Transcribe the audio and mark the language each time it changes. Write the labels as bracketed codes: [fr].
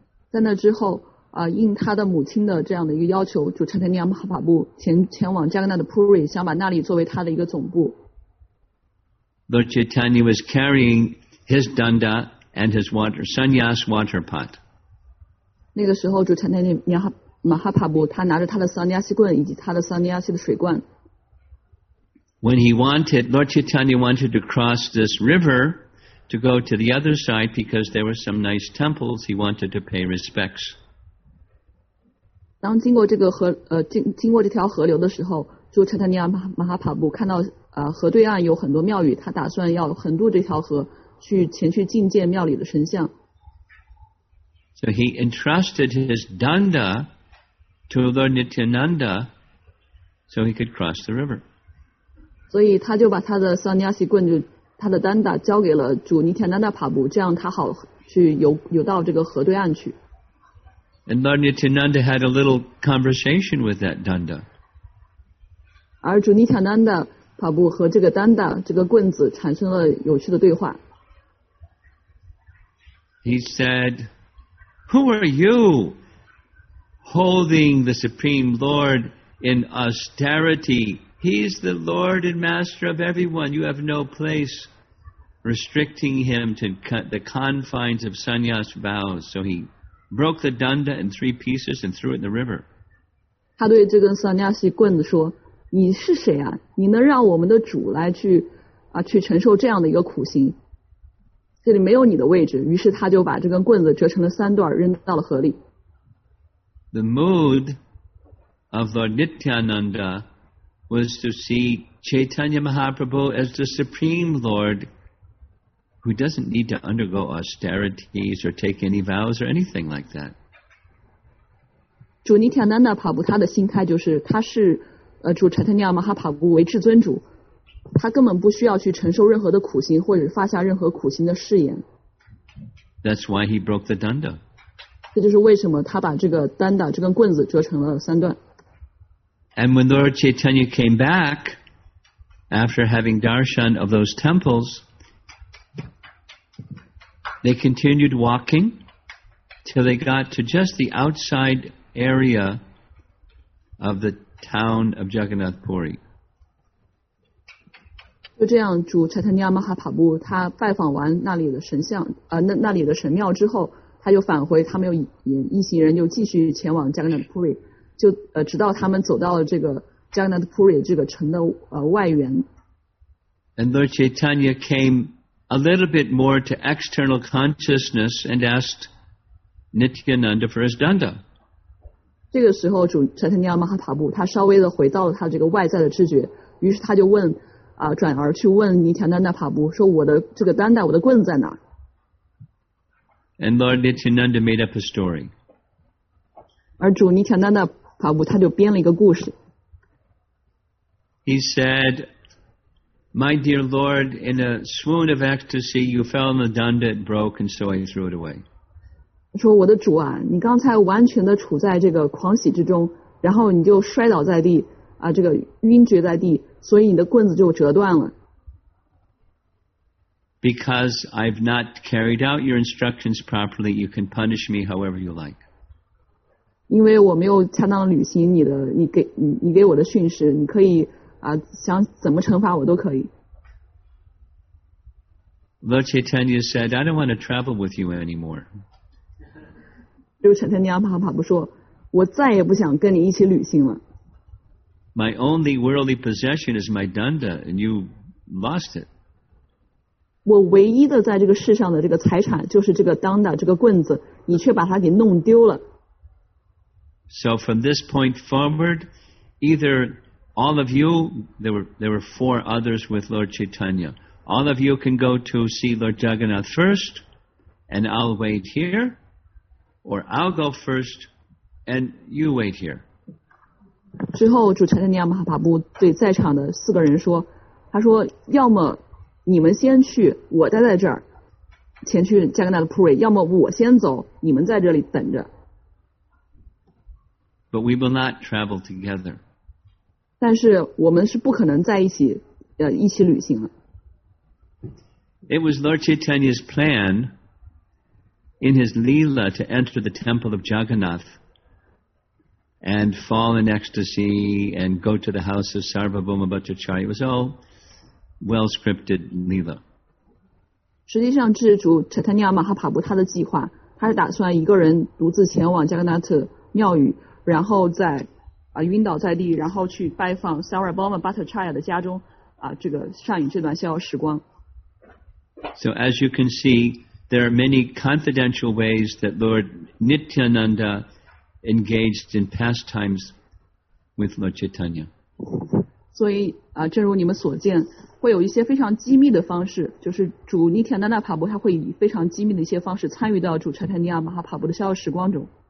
[zh] 在那之后应他的母亲的这样的一个要求，主柴特尼亚马哈帕布前往加格纳的普瑞，想把那里作为他的一个总部。 [en] Lord Chaitanya was carrying his danda and his water sannyas water pot. [zh] 那个时候，主柴特尼亚马哈帕布他拿着他的桑尼亚西棍以及他的桑尼亚西的水罐。 [en] When he wanted Lord Chaitanya wanted to cross this river to go to the other side because there were some nice temples he wanted to pay respects. [zh] 当经过这个河经过这条河流的时候，就柴特尼亚马哈帕布看到河对岸有很多庙宇，他打算要横渡这条河去前去觐见庙里的神像。 [en] So he entrusted his danda to Lord Nityananda so he could cross the river. [zh] 所以他就把他的桑尼亚西棍就他的danda交给了主尼天丹达帕布，这样他好去游到这个河对岸去。 [en] And Lord Nityananda had a little conversation with that danda. [zh] 而主尼塔南达帕布和这个丹达这个棍子产生了有趣的对话。 [en] He said, "Who are you, holding the Supreme Lord in austerity? He's the Lord and Master of everyone. You have no place restricting him to cut the confines of sannyas vows. So he broke the danda in three pieces and threw it in the river. [zh] 他对这根三角形棍子说：“你是谁啊？你能让我们的主来去啊去承受这样的一个苦行？这里没有你的位置。” 于是他就把这根棍子折成了三段，扔到了河里。 [en] The mood of Lord Nityananda was to see Chaitanya Mahaprabhu as the supreme Lord, who doesn't need to undergo austerities or take any vows or anything like that. [zh] 主尼天南娜帕布他的心态就是他是主柴特尼亚马哈帕布为至尊主，他根本不需要去承受任何的苦行或者发下任何苦行的誓言。 [en] That's why he broke the danda. [zh] 这就是为什么他把这个丹达这根棍子折成了三段。 [en] And when Lord Chaitanya came back after having darshan of those temples, they continued walking till they got to just the outside area of the town of Jagannath Puri. [zh] 就这样，主柴特尼亚马哈帕布他拜访完那里的神像，那里的神庙之后，他就返回，他们又一行人就继续前往 Jagannath Puri， 就直到他们走到了这个 Jagannath Puri 这个城的外缘。 [en] And Lord Chaitanya came a little bit more to external consciousness and asked Nityananda for his danda. [zh] 这个时候，主柴特尼亚马哈帕布他稍微的回到了他这个外在的知觉，于是他就问，转而去问尼田丹达帕布说：“我的这个丹达，我的棍子在哪 [en] ？”And Lord Nityananda made up a story. [zh] 而主尼田丹达帕布他就编了一个故事。 [en] He said, "My dear Lord, in a swoon of ecstasy, you fell on the danda, it broke, and so I threw it away." [zh] 说我的主啊，你刚才完全的处在这个狂喜之中，然后你就摔倒在地啊，这个晕厥在地，所以你的棍子就折断了。 [en] Because I've not carried out your instructions properly, you can punish me however you like. [zh] 因为我没有恰当的履行你给我的训示，你可以啊想怎么惩罚我都可以。 [en] Lord Chaitanya said, "I don't want to travel with you anymore." [zh] 就陈天尼阿帕帕布说，我再也不想跟你一起旅行了。 [en] My only worldly possession is my danda, and you lost it. [zh] 我唯一的在这个世上的这个财产就是这个danda这个棍子，你却把它给弄丢了。 [en] So from this point forward, either all of you, there were four others with Lord Chaitanya, all of you can go to see Lord Jagannath first, and I'll wait here. Or I'll go first, and you wait here. [zh] 最后，主柴特尼亚马哈帕布对在场的四个人说：“他说，要么你们先去，我待在这儿，前去加格纳的普瑞；要么我先走，你们在这里等着。” [en] But we will not travel together. [zh] 但是我们是不可能在一起旅行了。 [en] It was Lord Chaitanya's plan. In his Leela to enter the temple of Jagannath and fall in ecstasy and go to the house of Sarvabhauma Bhattacharya. It was all well scripted Leela. [zh] 实际上这是主柴特尼亚马哈帕布他的计划，他是打算一个人独自前往加格纳特庙宇，然后在晕倒在地，然后去拜访 Sarvabhauma Bhattacharya 的家中这个上演这段逍遥时光。 [en] So as you can see,There are many confidential ways that Lord Nityananda engaged in pastimes with Lord Chaitanya. [zh] 所以正如你们所见，会有一些非常机密的方式，就是主尼田丹纳帕布他会以非常机密的一些方式参与到主柴特尼亚马哈帕布的逍遥时光中。